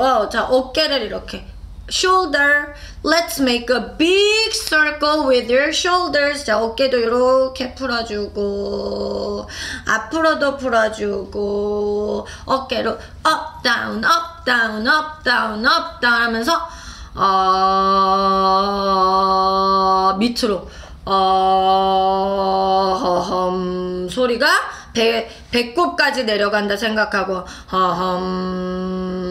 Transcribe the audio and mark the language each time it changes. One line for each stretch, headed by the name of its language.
Korean: 자, 어깨를 이렇게 shoulder.
English: Let's make a big circle with your shoulders.
Korean: 자, 어깨도 이렇게 풀어주고 앞으로도 풀어주고 어깨로
English: up down up down
Korean: up down up down 하면서 밑으로 하함 소리가 배꼽까지 내려간다 생각하고 하함